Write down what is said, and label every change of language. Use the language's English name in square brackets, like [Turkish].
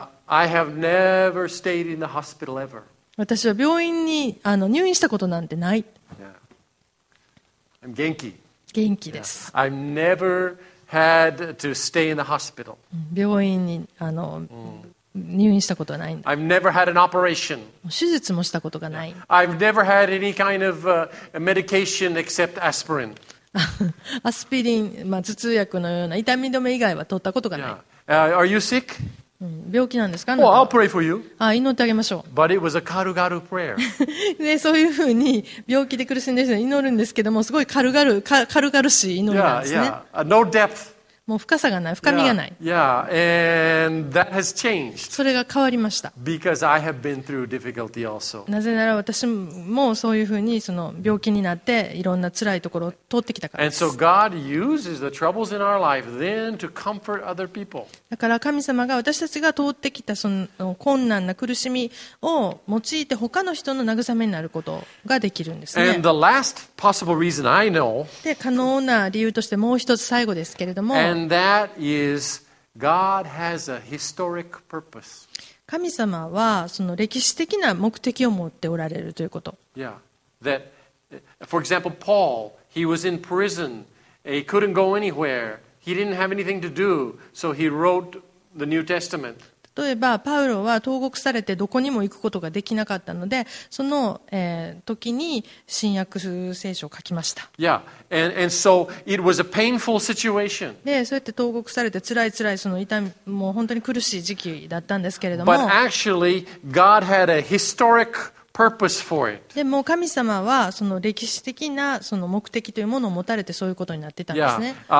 [English] I have never stayed in the hospital ever. [Japanese] 私は病院に入院したことなんてない。 [English] Yeah. I'm [Japanese] 元気。元気です。 [English] Yeah. I've never had to stay in the hospital. [Japanese] 病院に入院したことはないんだ。 [English] I've never had an operation. [Japanese] 手術もしたことがない。 [English] I've never had any kind of medication except aspirin. [Japanese] アスピリン、まあ、頭痛薬のような痛み止め以外は取ったことがない。 [English] Are you sick? [Japanese] 病気なんですか？ [English] Well, I'll pray for you. [Japanese] 祈ってあげましょう。 [English] But it was a [Japanese] 軽々 [English] prayer. [Japanese] ね、そういうふうに病気で苦しんでる人に祈るんですけども、すごい軽々軽々しい祈りなんですね。 [English] No depth. [Japanese] もう深さがない、深みがない。 [English] And that has changed. [Japanese] それが変わりました。 [English] Because I have been through difficulty also. [Japanese] なぜなら私もそういうふうにその病気になっていろんな辛いところを通ってきたからです。 [English] And so God uses the troubles in our life then to comfort other people. [Japanese] だから神様が私たちが通ってきたその困難な苦しみを用いて他の人の慰めになることができるんですね。 [English] And the last possible reason I know, [Japanese] で可能な理由としてもう一つ最後ですけれども、 [English] And that is God has a historic purpose. [Japanese] 神様はその歴史的な目的を持っておられるということ。 [English] Yeah. That, for example, Paul, he was in prison. He couldn't go anywhere. He didn't have anything to do, so he wrote the New Testament. [Japanese] 例えばパウロは投獄されてどこにも行くことができなかったので、その、時に新約聖書を書きました。 [English] Yeah. And so it was a painful situation. [Japanese] でそうやって投獄されて辛い辛いその痛み、もう本当に苦しい時期だったんですけれども、 [English] But actually God had a historic purpose for it. [Japanese] でも神様はその歴史的なその目的というものを持たれてそういうことになってたんですね。